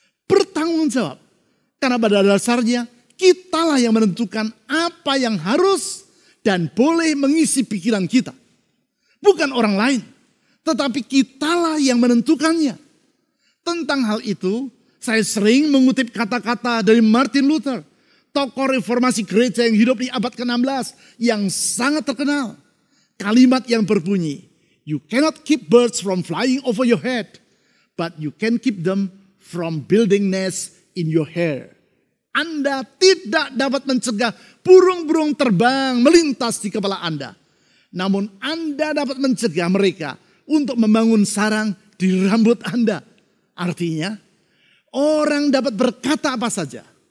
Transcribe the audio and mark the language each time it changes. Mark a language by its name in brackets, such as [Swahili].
[Indonesian] Bertanggung jawab, karena pada dasarnya kitalah yang menentukan apa yang harus dan boleh mengisi pikiran kita. Bukan orang lain, tetapi kitalah yang menentukannya. Tentang hal itu, saya sering mengutip kata-kata dari Martin Luther, tokoh reformasi gereja yang hidup di abad ke-16 yang sangat terkenal. Kalimat yang berbunyi, [English] you cannot keep birds from flying over your head, but you can keep them from building nests in your hair. [Indonesian] Anda tidak dapat mencegah burung-burung terbang melintas di kepala Anda. Namun Anda dapat mencegah mereka untuk membangun sarang di rambut Anda. Artinya, orang dapat berkata apa saja.